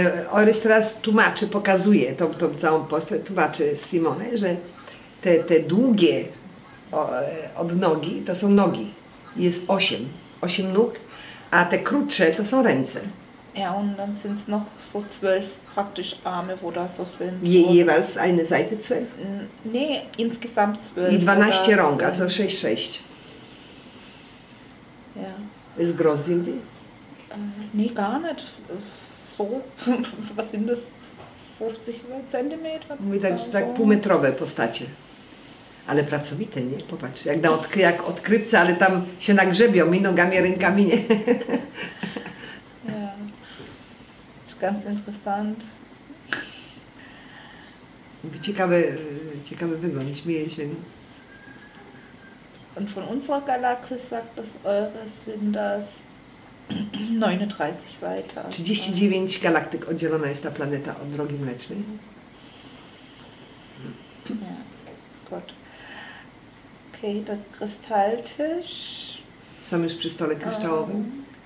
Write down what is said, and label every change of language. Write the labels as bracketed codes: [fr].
[pl] Oryś teraz tłumaczy, pokazuje tą całą postę, tłumaczy Simone, że te długie od nogi to są nogi. Jest 8 nóg, a te krótsze to są ręce. [de] Ja, und dann sind es noch so 12 praktisch Arme, wo da so sind. Jeweils eine Seite 12? Nee, insgesamt 12. [pl] I 12 rąk, also 6. [de] Ja. Ist groß sind die? Nee, gar nicht. So, was sind das? 50 cm? [pl] Mówię tak półmetrowe postacie. Ale pracowite, nie? Popatrz, jak odkrywce, ale tam się nagrzebią i nogami, rękami, nie? [de] Ganz interessant. [pl] Ciekawy wygląd, śmieje się. [de] Und von unserer Galaxie sagt, dass eure sind das 39 weiter. [pl] 39 galaktyk oddzielona jest ta planeta od Drogi Mlecznej. [de] Ja, gut. Okay, der Kristalltisch. [pl] Są już przy stole kryształowym.